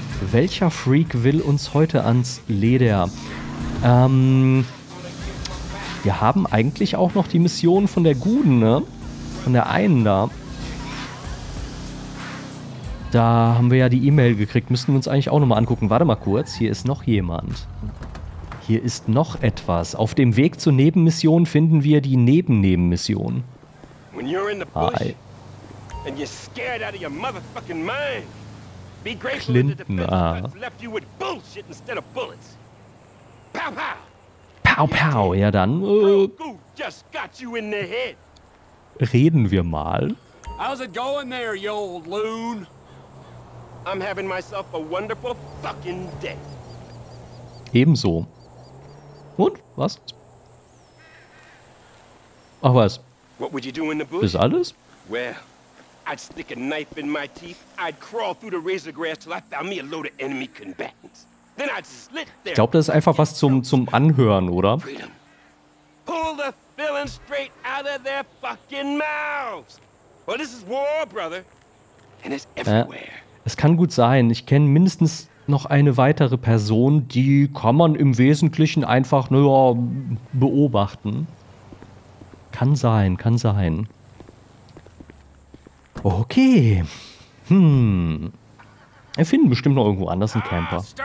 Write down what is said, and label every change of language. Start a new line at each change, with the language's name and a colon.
German: Welcher Freak will uns heute ans Leder? Wir haben eigentlich auch noch die Mission von der Guten, ne? Von der einen da. Da haben wir ja die E-Mail gekriegt. Müssen wir uns eigentlich auch nochmal angucken. Warte mal kurz. Hier ist noch jemand. Hier ist noch etwas. Auf dem Weg zur Nebenmission finden wir die Nebenmission.
English: When you're in the bush and you're scared out of your motherfucking mind, be grateful that the defense left you with bullshit instead of bullets. Pow, pow.
German: Pow, pow. Ja, dann.
English: Just got you in the head.
German: Reden wir mal.
English: How's it going there, you old loon? I'm having myself a wonderful fucking day.
German: Ebenso. Und? Was? Ach was.
English: What would you do in the bush?
German: Ist alles?
English: Well, I'd stick a knife in my teeth. I'd crawl through the razor grass till I found me a load of enemy combatants. Then I'd slit their...
German: Ich glaube, das ist einfach was zum Anhören, oder?
English: Freedom. Pull the villain straight out of their fucking mouths. Well, this is war, brother. And it's everywhere.
German: Es kann gut sein. Ich kenne mindestens noch eine weitere Person, die kann man im Wesentlichen einfach nur beobachten. Kann sein, kann sein. Okay. Wir finden bestimmt noch irgendwo anders einen Camper.